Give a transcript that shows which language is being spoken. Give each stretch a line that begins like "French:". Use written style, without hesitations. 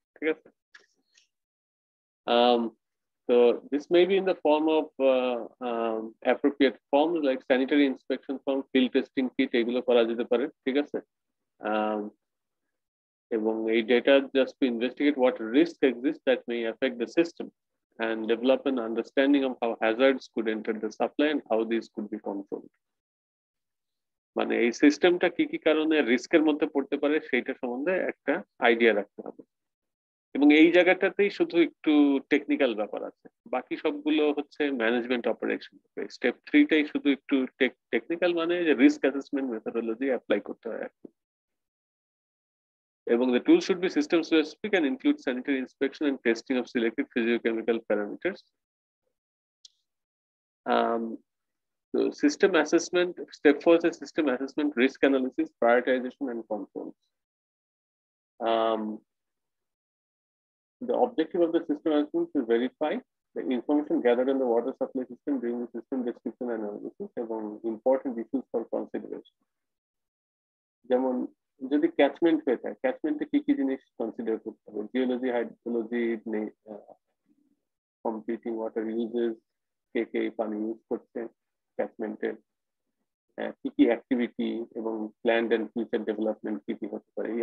Bangla: ঠিক আছে, তো
English: this may be in the form of appropriate form like sanitary inspection form, field testing kit,
Bangla: এগুলো করা যেতে পারে। ঠিক আছে, এবং এই
English: Data just to investigate what risk exist that may affect the system and develop an understanding of how hazards could enter the supply and how these could be controlled.
Bangla: মানে এই সিস্টেমটা কি কি কারণে রিস্কের মধ্যে পড়তে পারে সেটা সম্বন্ধে একটা আইডিয়া রাখতে হবে, এবং এই জায়গাটাতেই শুধু একটু টেকনিক্যাল ব্যাপার আছে, বাকি সবগুলো হচ্ছে ম্যানেজমেন্ট অপারেশন। স্টেপ থ্রিটাই শুধু একটু টেকনিক্যাল, মানে যে রিস্ক অ্যাসেসমেন্ট মেথোডোলজি অ্যাপ্লাই করতে হয় আর কি।
English: এবং the tool should be system specific and include sanitary inspection and testing of selected physiochemical parameters. System assessment, step four is system assessment, risk analysis, prioritization and control. The objective of the system assessment is to verify the information gathered in the water supply system during the system description analysis among important issues for consideration.
Bangla: যেমন যদি catchment হয়ে থাকে, ক্যাচমেন্টে কি কি জিনিস consider করতে হবে, geology, hydrology, competing water uses, কে কে পানি ইউজ করছে ক্যাচমেন্টে, কি কি অ্যাক্টিভিটি এবং
English: planned and future development
Bangla: কি কি হতে পারে।